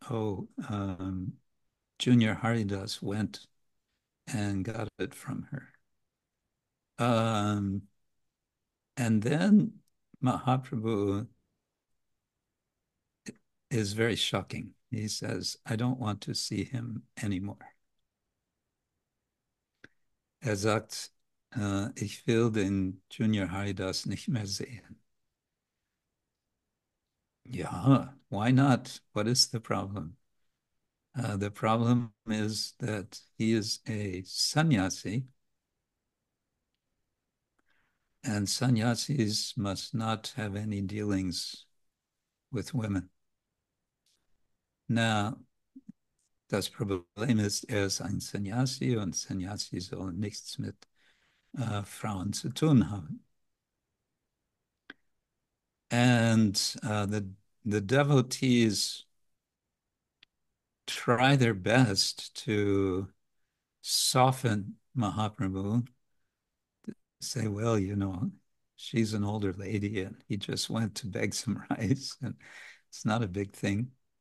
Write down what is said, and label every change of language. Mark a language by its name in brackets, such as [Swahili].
[English] Oh, Junior Haridas went and got it from her. And then Mahaprabhu is very shocking. He says, I don't want to see him anymore. [German] Er sagt, ich will den Junior Haridas nicht mehr sehen. [English] Ja, why not? What is the problem? The problem is that he is a sannyasi, and sannyasis must not have any dealings with women. [German] Now, das Problem ist, er ist ein Sannyasi, und Sannyasi soll nichts mit Frauen zu tun haben. [English] And the devotees try their best to soften Mahaprabhu. Say, well, you know, she's an older lady and he just went to beg some rice and it's not a big thing.